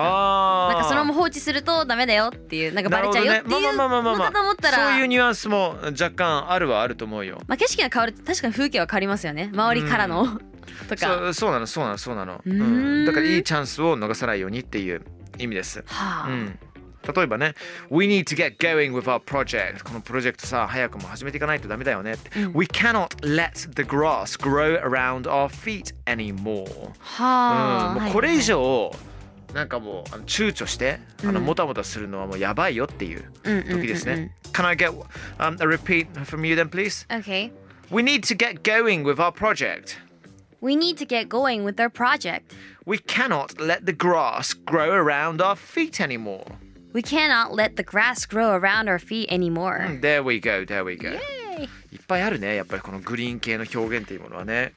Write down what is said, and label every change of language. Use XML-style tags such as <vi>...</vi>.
<ja>なんかそのまま放置するとダメだよっていう、なんかバレちゃうよっていうのかと思ったら、そういうニュアンスも若干あるはあると思うよ。まあ、景色が変わると確かに風景は変わりますよね、周りからの、うん、とか。そうなの、そうなの、そうなの。だからいいチャンスを逃さないようにっていう意味です。例えばね、</ja> <en>We need to get going with our project.</en> <ja>このプロジェクトさ、早くも始めていかないとダメだよね。</ja> <en>We cannot let the grass grow around our feet anymore.</en> <ja>はあ。もうこれ以上、なんかもう躊躇して、もたもたするのはもうやばいよっていう時ですね。</ja> <en>Can I get a repeat from you then, please? Okay. We need to get going with our project. We need to get going with our project. We cannot let the grass grow around our feet anymore. We cannot let the grass grow around our feet anymore. There we go, there we go. Yay!</en> <ja>いっぱいあるね、やっぱりこのグリーン系の表現っていうものはね。</ja>